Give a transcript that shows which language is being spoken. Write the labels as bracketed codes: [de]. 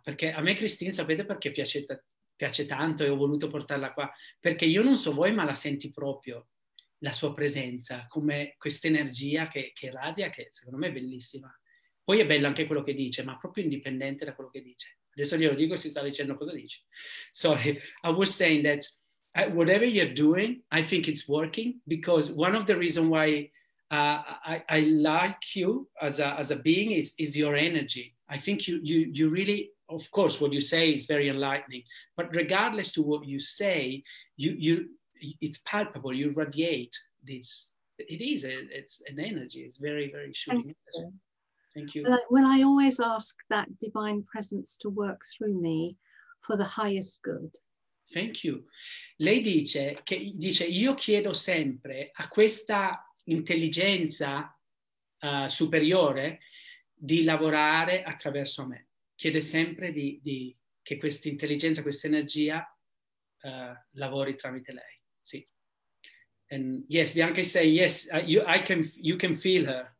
[it] Perché a me Christine, sapete perché piace tanto e ho voluto portarla qua? Perché io non so voi, ma la senti proprio, la sua presenza, come questa energia che radia, che secondo me è bellissima. Poi è bello anche quello che dice, ma proprio indipendente da quello che dice. Adesso glielo dico, si sta dicendo cosa dice. [en] Sorry, I was saying that whatever you're doing, I think it's working because one of the reasons why I like you as a being is your energy. I think you really, of course, what you say is very enlightening, but regardless to what you say, you it's palpable, you radiate this. It is, it's an energy, it's very, very shooting energy. Thank you. Well, I always ask that divine presence to work through me for the highest good. Thank you. [it] Lei dice che io chiedo sempre a questa intelligenza superiore di lavorare attraverso me. Chiede sempre di che questa intelligenza, questa energia lavori tramite lei. Sì. [en] And yes, Bianca is saying, yes, you can feel her.